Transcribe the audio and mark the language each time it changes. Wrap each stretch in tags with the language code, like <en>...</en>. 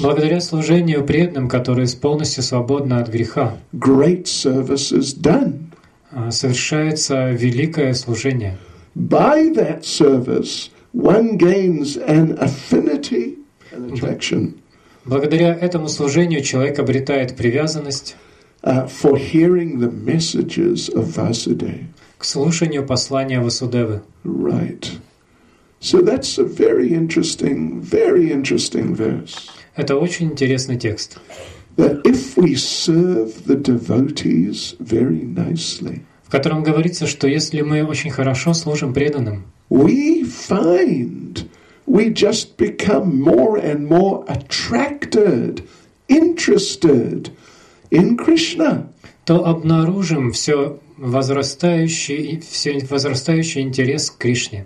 <ru>благодаря служению преданным, которые полностью свободны от греха,</ru> <en>great service is done.</en> <ru>Совершается великое служение.</ru> <en>By that service one gains an affinity, an attraction.</en> <ru>Благодаря этому служению человек обретает привязанность</ru> <en>for hearing the messages of Vasudeva.</en> <ru>К слушанию послания Васудевы.</ru> <en>Right. So that's a very interesting verse.</en> <ru>Это очень интересный текст.</ru> <en>That if we serve the devotees very nicely,</en> <ru>в котором говорится, что если мы очень хорошо служим преданным,</ru> <en>we find we just become more and more attracted, interested in Krishna,</en> <ru>то обнаружим все возрастающий интерес к Кришне.</ru>